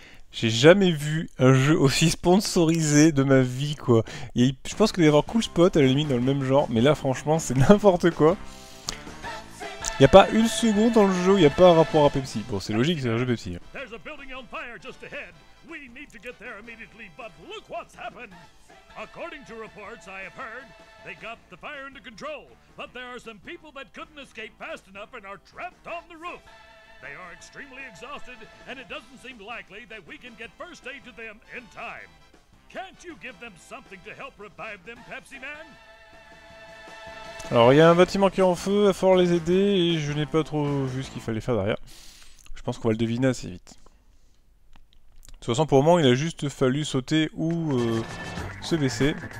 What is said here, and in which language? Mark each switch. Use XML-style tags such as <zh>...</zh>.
<fr>J'ai jamais vu un jeu aussi sponsorisé de ma vie, quoi. Et je pense qu'il va y avoir Cool Spot à la limite dans le même genre, mais là franchement c'est n'importe quoi. Il y a pas une seconde dans le jeu où il y a pas un rapport à Pepsi. Bon, c'est logique, c'est un jeu Pepsi.</fr> <en>There's a building on fire just ahead. We need to get there immediately, but look what's happened. According to reports I have heard, they got the fire under control, but there are some people that couldn't escape fast enough and are trapped on the roof. They are extremely exhausted, and it doesn't seem likely that we can get first aid to them in time. Can't you give them something to help revive them, Pepsi Man?</en> <fr>Alors, il y a un bâtiment qui est en feu, il va falloir les aider, et je n'ai pas trop vu ce qu'il fallait faire derrière. Je pense qu'on va le deviner assez vite. De toute façon, pour le moment, il a juste fallu sauter ou se baisser.</fr>